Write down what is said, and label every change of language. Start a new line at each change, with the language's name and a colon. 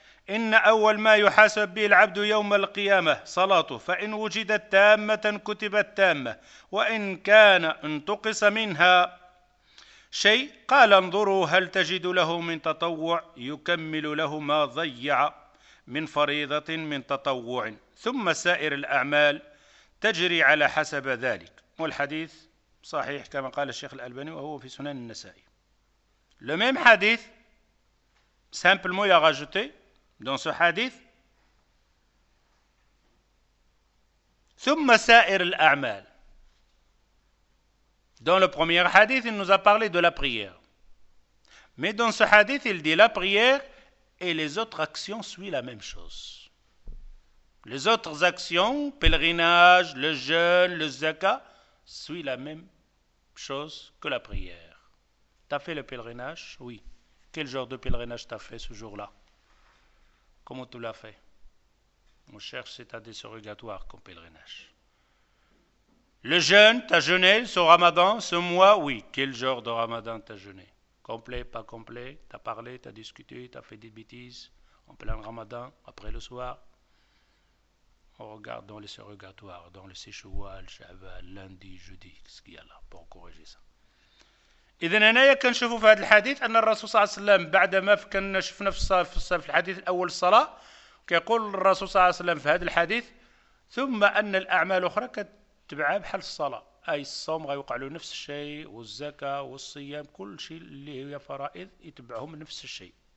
Arabic: إن أول ما يحاسب به العبد يوم القيامة صلاته، فإن وجدت تامة كتبت تامة، وإن كان انتقص منها شيء قال انظروا هل تجد له من تطوع يكمل له ما ضيع من فريضة من تطوع، ثم سائر الأعمال تجري على حسب ذلك. والحديث صحيح كما قال الشيخ الألباني وهو في سنن النسائي. لو ميم حديث
French: simplement il a rajouté dans ce hadith
Arabic: ثم سائر الأعمال.
French: Dans le premier hadith il nous a parlé de la prière, mais dans ce hadith il dit la prière et les autres actions suivent la même chose. Les autres actions, pèlerinage, le jeûne, le zakat, suivent la même chose que la prière. T'as fait le pèlerinage? Oui. Quel genre de pèlerinage t'as fait ce jour-là? Comment tu l'as fait? On cherche cet état surrogatoire comme pèlerinage. Le jeûne, t'as jeûné ce ramadan, ce mois? Oui. Quel genre de ramadan t'as jeûné? Complet, pas complet? T'as parlé, t'as discuté, t'as fait des bêtises en plein ramadan, après le soir? On regarde dans les surrogatoires, dans le Sichoual, Shaval, lundi, jeudi, ce qu'il y a là pour corriger ça.
Arabic: إذن أنا كنشوفوا في هذا الحديث أن الرسول صلى الله عليه وسلم بعدما كنا شفنا في الحديث الأول الصلاة كيقول الرسول صلى الله عليه وسلم في هذا الحديث ثم أن الأعمال الأخرى كتبعها بحال الصلاة، أي الصوم غيوقع له نفس الشيء والزكاة والصيام كل شيء اللي هي فرائض يتبعهم نفس الشيء.